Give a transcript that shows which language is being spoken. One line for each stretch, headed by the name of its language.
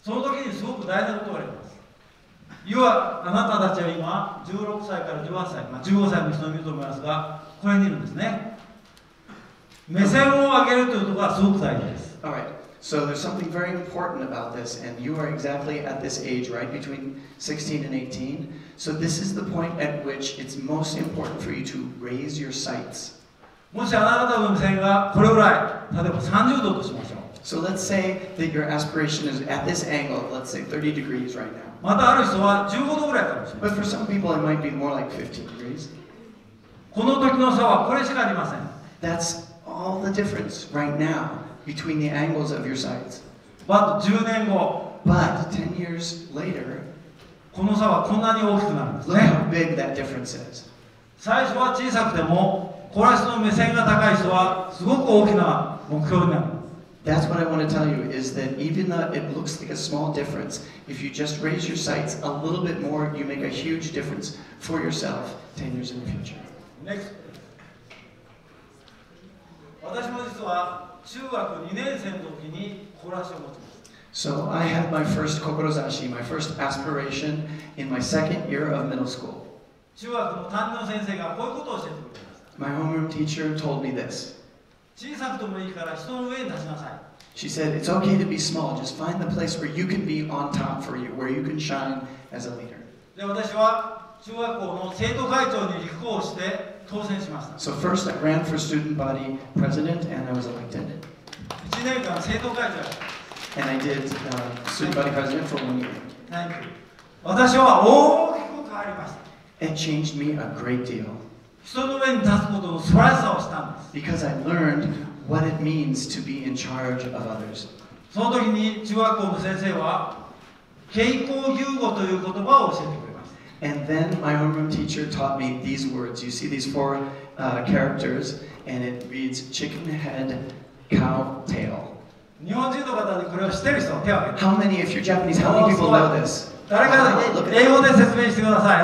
Japanese: その時にすごく大事なことがあります。要はあなたたちは今16歳から18歳、まあ、15歳の人を見ると思いますが、これにいるんですね。目線を上げるというところがすごく大事です。
English: All right. So there's something very important about this, and you are exactly at this age, right, between 16 and 18. So this is the point at which it's most important for you to raise your sights.
Japanese: もしあなたの目線がこれぐらい、例えば30度としましょう。
English: So let's say that your aspiration is at this angle, let's say 30 degrees right now.
Japanese: またある人は15度ぐらいかもしれない。
English: But for some people, it might be more like 15 degrees.
Japanese: この時の差はこれしかありません。
English: That's all the difference right now between the angles of your sights. But
Japanese: 10 年後。
English: But 10 years later,
Japanese: この差はこんなに大きくなるんですね。
English: Look how big that difference is.
Japanese: 最初は小さくても、こらしの目線が高い人はすごく大きな目標になる。
English: That's what I want to tell you, is that even though it looks like a small difference, if you just raise your sights a little bit more, you make a huge difference for yourself 10 years in the future. Next.
Japanese: 私も実は中学2年生の時に志を持っています。
English: So I had my first kokorozashi, my first aspiration in my second year of middle school.
Japanese: 中学の担任の先生がこういうことを教えてくれました。
English: My homeroom teacher told me this.
Japanese: 小さくともいいから人の上に立ちなさい。
English: She said, it's okay to be small. Just find the place where you can be on top for you, where you can shine as a leader.
Japanese: で、私は中学校の生徒会長に立候補して当選しました。
English: So first, I ran for student body president, and I was elected.
Japanese: 1年間生徒会長。
English: And I did student body president for 1 year. Thank you.
Japanese: 私は大きく変わりました。
English: It changed me a great deal.
Japanese: 人の上に立つことの素晴らしさを知ったんです。
English: Because I learned what it means to be in charge of others.
Japanese: その時に中学校の先生は傾向融合という言葉を教えてくれました。
English: And then my homeroom teacher taught me these words. You see these four characters, and it reads chicken head, cow tail.
Japanese: 日本人の方でこれを知ってる人手を挙げて。
English: How many, if you're Japanese, how many people know this?
Japanese: 誰か英語で説明してください。